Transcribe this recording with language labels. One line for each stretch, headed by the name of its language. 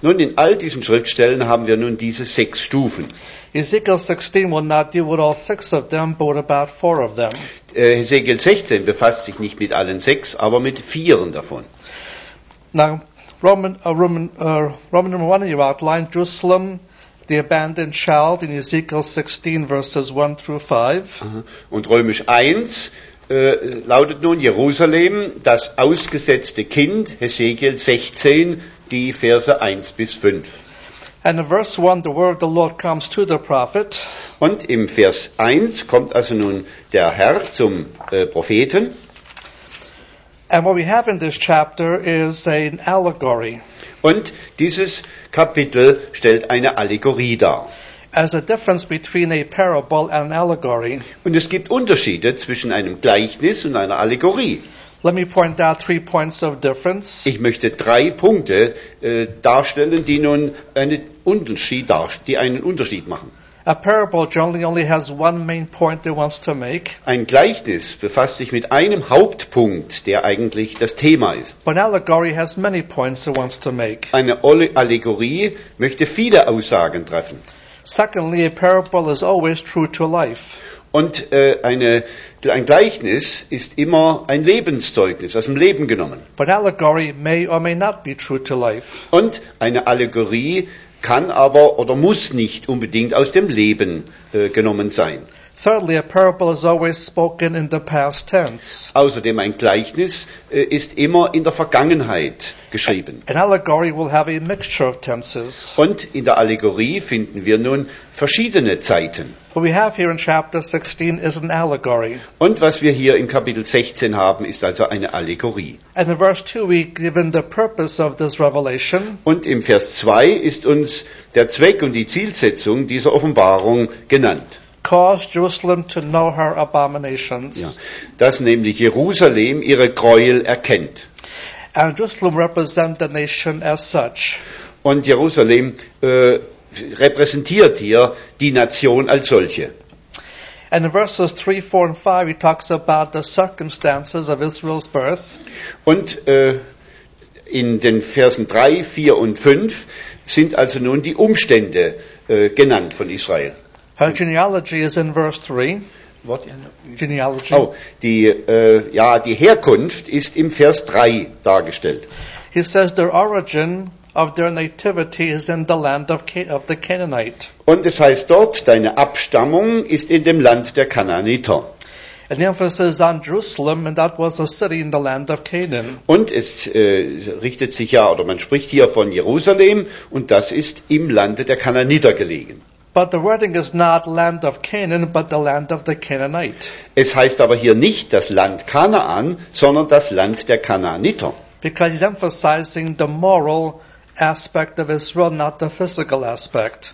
German: Nun, in all diesen Schriftstellen haben wir nun diese sechs Stufen.
English: Ezekiel 16 will not deal with all six of them, but about four of them.
German: Ezekiel 16 befasst sich nicht mit allen sechs, aber mit vieren davon.
English: Now, Roman number 1 in your outline, Jerusalem, the abandoned child in Ezekiel 16, verses 1 through 5.
German: Und Römisch 1 lautet nun Jerusalem, das ausgesetzte Kind, Ezekiel 16, die Verse 1 bis 5.
English: And in verse 1, the word of the Lord comes to the prophet.
German: Und im Vers 1 kommt also nun der Herr zum Propheten.
English: And what we have in this chapter is an allegory.
German: Und dieses Kapitel stellt eine Allegorie dar.
English: As a difference between a parable and an allegory.
German: Und es gibt Unterschiede zwischen einem Gleichnis und einer Allegorie.
English: Let me point out three points of difference.
German: Ich möchte drei Punkte darstellen, die nun einen Unterschied machen.
English: A parable generally only has one main point it wants to make.
German: Ein Gleichnis befasst sich mit einem Hauptpunkt, der eigentlich das Thema ist.
English: But an allegory has many points it wants to make.
German: Eine Allegorie möchte viele Aussagen treffen.
English: Secondly, a parable is always true to life.
German: Und ein Gleichnis ist immer ein Lebenszeugnis, aus dem Leben genommen.
English: But an allegory may or may not be true to life.
German: Und eine Allegorie kann aber oder muss nicht unbedingt aus dem Leben genommen sein.
English: Thirdly, a parable is always spoken in the past tense.
German: Außerdem ein Gleichnis ist immer in der Vergangenheit geschrieben.
English: An allegory will have a mixture of tenses.
German: Und in der Allegorie finden wir nun verschiedene Zeiten.
English: What we have here in chapter 16 is an allegory.
German: Und was wir hier in Kapitel 16 haben, ist also eine Allegorie.
English: And in verse 2 we given the purpose of this revelation.
German: Und im Vers 2 ist uns der Zweck und die Zielsetzung dieser Offenbarung genannt.
English: Cause Jerusalem to know her abominations.
German: Ja, dass nämlich Jerusalem ihre Gräuel erkennt.
English: And Jerusalem represents the nation as such.
German: Und Jerusalem repräsentiert hier die Nation als solche.
English: And in verses 3, 4 and 5 he talks about the circumstances of Israel's birth.
German: Und in den Versen 3, 4 und 5 sind also nun die Umstände genannt von Israel.
English: Her genealogy is in verse 3. What? Genealogy.
German: Oh, die Herkunft ist im Vers 3 dargestellt.
English: He says their origin of their nativity is in the land of the Canaanite.
German: Und es heißt dort, deine Abstammung ist in dem Land der Kanaaniter.
English: And the emphasis is on Jerusalem, and that was a city in the land of Canaan.
German: Und es richtet sich ja, oder man spricht hier von Jerusalem, und das ist im Lande der Kanaaniter gelegen.
English: But the wording is not land of Canaan, but the land of the Canaanite.
German: Es heißt aber hier nicht das Land Kanaan, sondern das Land der Kanaaniter.
English: Because he's emphasizing the moral aspect of Israel, not the physical aspect.